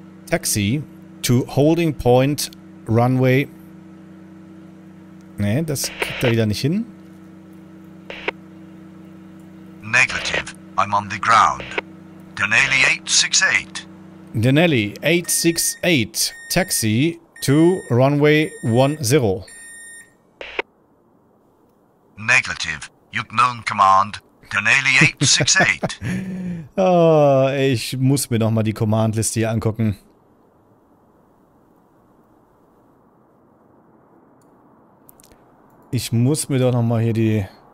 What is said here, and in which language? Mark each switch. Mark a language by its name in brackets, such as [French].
[English] Taxi to holding point runway. [German] Nee, das kriegt er wieder nicht hin. [English] Negative. I'm on the ground. Denali 868. Denali 868, taxi to runway 10. Negative, you've known command, Denali 868. [German] Oh, ich muss mir nochmal die Command-Liste hier angucken. Ich muss mir doch nochmal hier die...